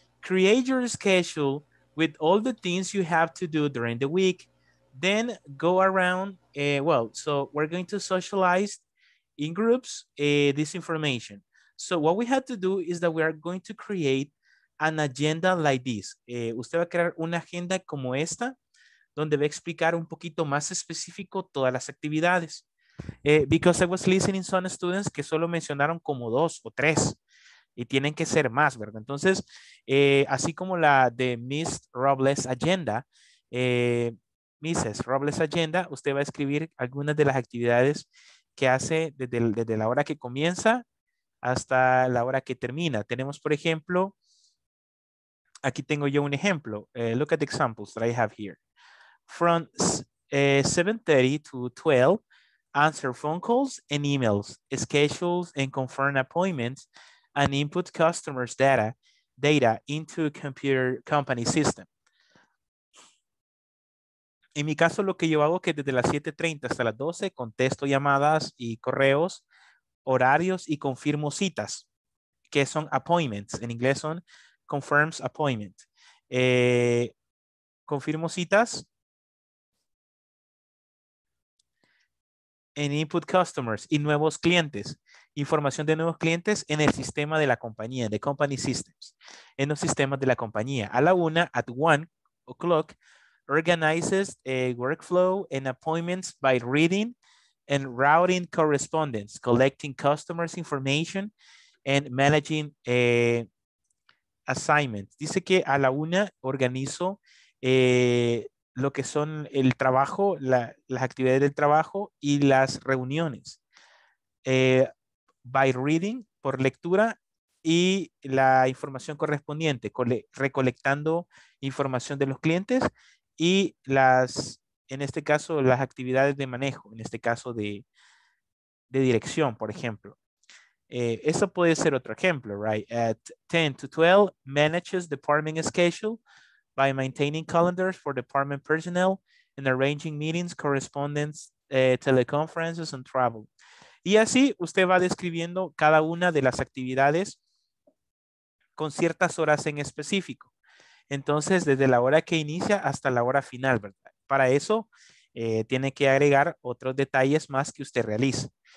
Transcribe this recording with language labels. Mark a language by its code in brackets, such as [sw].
[en] Create your schedule with all the things you have to do during the week. Then go around. So we're going to socialize in groups this information. So what we have to do is that we are going to create an agenda like this. [es] Usted va a crear una agenda como esta, donde va a explicar un poquito más específico todas las actividades. [en] Because I was listening to some students [es] que solo mencionaron como dos o tres, y tienen que ser más, ¿verdad? Entonces, así como la de Miss Robles Agenda, Mrs. Robles Agenda, usted va a escribir algunas de las actividades que hace desde la hora que comienza hasta la hora que termina. Tenemos, por ejemplo, aquí tengo yo un ejemplo. [en] Look at the examples that I have here. From 7:30 to 12, answer phone calls and emails, schedules and confirm appointments, and input customers' data into a computer company system. [es] En mi caso, lo que yo hago es que desde las 7:30 hasta las 12, contesto llamadas y correos, horarios y confirmo citas, que son appointments. En inglés son [en] confirms appointment. [es] Confirmo citas. En input customers y nuevos clientes. Información de nuevos clientes en el sistema de la compañía, [en] the company systems. [es] En los sistemas de la compañía. A la una, [en] at 1 o'clock, organizes a workflow and appointments by reading and routing correspondence, collecting customers' information and managing assignments. [es] Dice que a la una organizo lo que son el trabajo, las actividades del trabajo y las reuniones. [en] By reading, [es] por lectura, y la información correspondiente, recolectando información de los clientes y las, en este caso, las actividades de manejo, en este caso de dirección, por ejemplo. Eso puede ser otro ejemplo, right? [en] At 10 to 12, manages department schedule by maintaining calendars for department personnel and arranging meetings, correspondence, teleconferences, and travel. [es] Y así usted va describiendo cada una de las actividades con ciertas horas en específico. Entonces, desde la hora que inicia hasta la hora final, ¿verdad? Para eso, tiene que agregar otros detalles más que usted realiza.